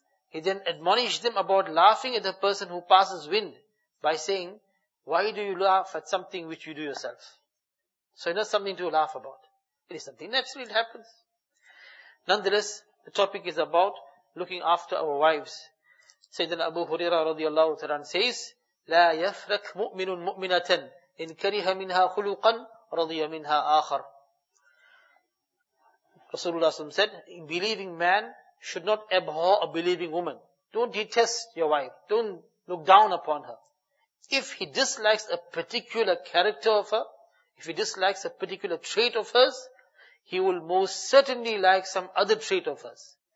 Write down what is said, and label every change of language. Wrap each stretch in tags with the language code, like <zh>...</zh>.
<en>He then admonished them about laughing at the person who passes wind by saying, why do you laugh at something which you do yourself? So it's not something to laugh about. It is something natural, it happens. Nonetheless, the topic is about looking after our wives. Sayyidina Abu Huraira radiallahu ta'ala says,</en> <ar>لا يفرك مؤمن مؤمنة إن كره منها خلقا رضي منها آخر.</ar> <en>Rasulullah said, a believing man should not abhor a believing woman. Don't detest your wife. Don't look down upon her. If he dislikes a particular character of her, if he dislikes a particular trait of hers, he will most certainly like some other trait of hers.</en>